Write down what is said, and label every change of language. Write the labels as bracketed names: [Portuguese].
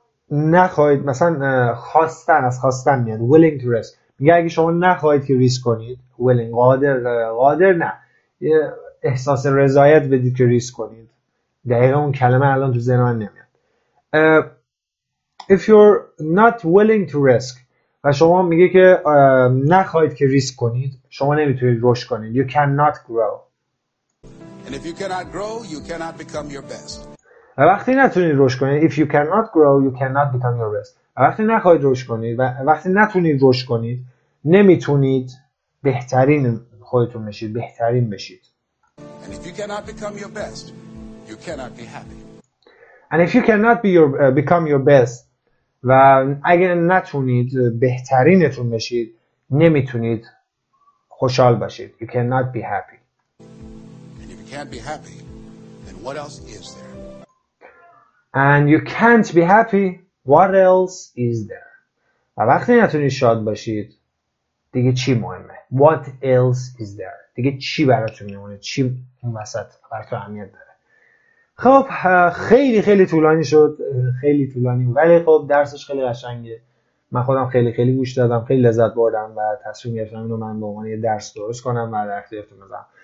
[Persian] نخواهید، مثلا خواستن، از خواستن میاد [English] willing to risk، [Persian] میگه اگه شما نخواهید که ریسک کنید، willing، قادر، قادر نه، احساس رضایت بدید که ریسک کنید. دقیقا اون کلمه الان تو ذهن من نمیاد. [English] If you're not willing to risk، [Persian] و شما میگه که نخواهید که ریسک کنید، شما نمیتونید رشد کنید. [English] You cannot grow. And if you cannot grow, you cannot become your best. [Persian] و وقتی نتونید رشد کنید، [English] if you cannot grow, you cannot become your best. [Persian] و وقتی نخواهید رشد کنید، و وقتی نتونید رشد کنید، نمیتونید بهترین خودتون بشید، بهترین بشید. [English] And if you cannot become your best, you cannot be happy. And if you cannot be your, become your best, [Persian] و اگر نتونید بهترینتون بشید، نمیتونید خوشحال باشید. [English] You cannot be happy. And if you can't be happy, then what else is there? And you can't be happy, what else is there? [Persian] و وقتی نتونید شاد باشید، دیگه چی مهمه؟ [English] What else is there? [Persian] دیگه چی براتون میمونه؟ چی اون وسط براتون اهمیت داره؟ خب خیلی خیلی طولانی شد، خیلی طولانی، ولی خب درسش خیلی قشنگه. من خودم خیلی خیلی گوش دادم، خیلی لذت بردم و تصمیم گرفتم اینو من به عنوان یه درس درست کنم و در اختیارتون بذارم.